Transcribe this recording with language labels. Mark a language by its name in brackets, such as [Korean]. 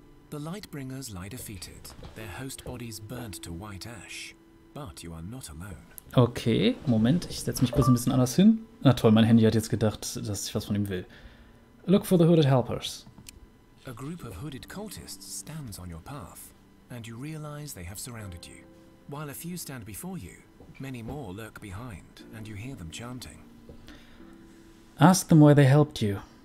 [English] The Lightbringers lie defeated, their host bodies burnt to white ash, but you are not alone. [German] Okay, Moment, ich setze mich kurz ein bisschen anders hin. Na toll, mein Handy hat jetzt gedacht, dass ich was von ihm will. [English] Look for the hooded helpers. A group of hooded cultists stands on your path, and you realize they have surrounded you. While a few stand before you, many more lurk behind, and you hear them chanting. Ask them why they helped you.